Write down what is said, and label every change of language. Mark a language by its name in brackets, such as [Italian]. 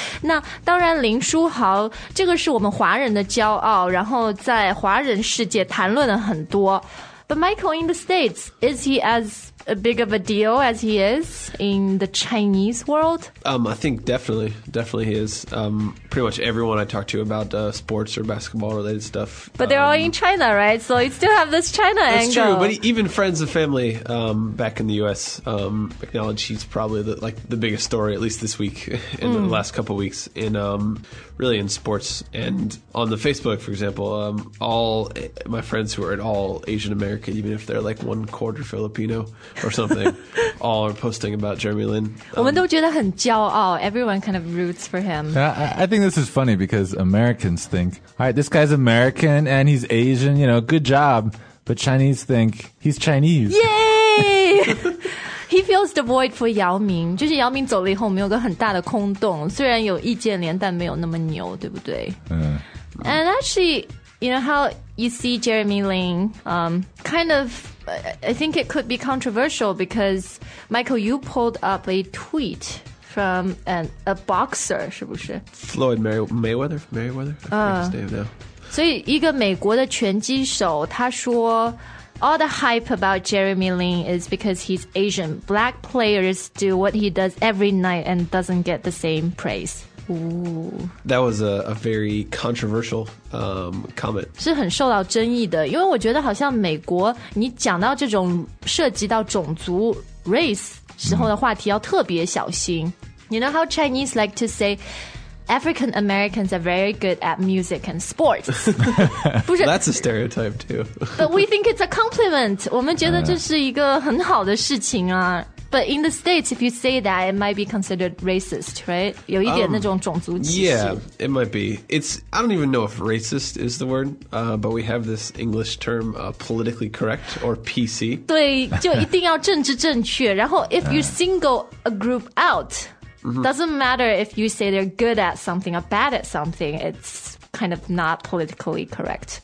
[Chinese] 那当然林书豪, 这个是我们华人的骄傲, 然后在华人世界谈论了很多。 [English] But Michael, in the States, is he as big of a deal as he is in the Chinese world? I think definitely he is. Pretty much everyone I talk to about sports or basketball related stuff. But they're all in China, right? So you still have this China that's angle. That's true, but even friends and family back in the U.S. Acknowledge he's probably the biggest story, at least this week, in the last couple of weeks, in sports. And on the Facebook, for example, all my friends who are at all Asian American, even if they're like one quarter Filipino or something, all are posting about Jeremy Lin. [Chinese] 我们都觉得很骄傲, [English] everyone kind of roots for him. I think this is funny because Americans think, all right, this guy's American and he's Asian, you know, good job. But Chinese think he's Chinese. Yay! He fills the void for Yao Ming. [Chinese] 就是姚明走了以后没有个很大的空洞，虽然有意见连，但没有那么牛，对不对? [English] And actually, you know how you see Jeremy Lin, kind of, I think it could be controversial because, Michael, you pulled up a tweet from a boxer, [Chinese] 是不是? [English] Floyd Mayweather? Mayweather? I forget his name now. [Chinese] 所以一个美国的拳击手他说, [English] all the hype about Jeremy Lin is because he's Asian. Black players do what he does every night and doesn't get the same praise. Ooh. That was a very controversial comment. [Chinese] 是很受到争议的，因为我觉得好像美国，你讲到这种涉及到种族 race 时候的话题要特别小心。 [English] You know how Chinese like to say African Americans are very good at music and sports. [Chinese] 不是, [English] that's a stereotype too. But we think it's a compliment. [Chinese] 我们觉得这是一个很好的事情啊。 [English] But in the States, if you say that, it might be considered racist, right? [Chinese] 有一点那种种族歧视。 [English] Yeah, it might be. I don't even know if racist is the word, but we have this English term, politically correct, or PC. [Chinese] 对,就一定要政治正确。 [English] 然后 if you single a group out, doesn't matter if you say they're good at something or bad at something, it's kind of not politically correct.